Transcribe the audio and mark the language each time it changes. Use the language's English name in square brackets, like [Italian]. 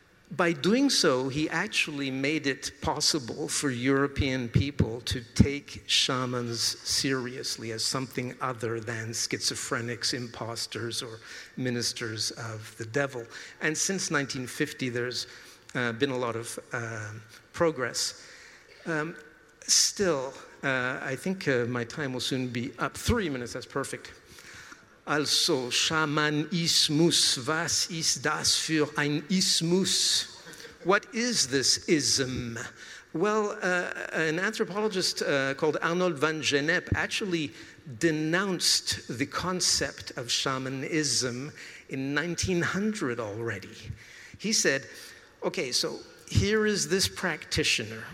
[English] By doing so, he actually made it possible for European people to take shamans seriously as something other than schizophrenics, imposters, or ministers of the devil. And since 1950, there's been a lot of progress. Still, I think my time will soon be up. 3 minutes, that's perfect. [German] Also, Shamanismus, was ist das für ein Ismus? [English] What is this ism? Well, an anthropologist called Arnold van Gennep actually denounced the concept of shamanism in 1900 already. He said, okay, so here is this practitioner.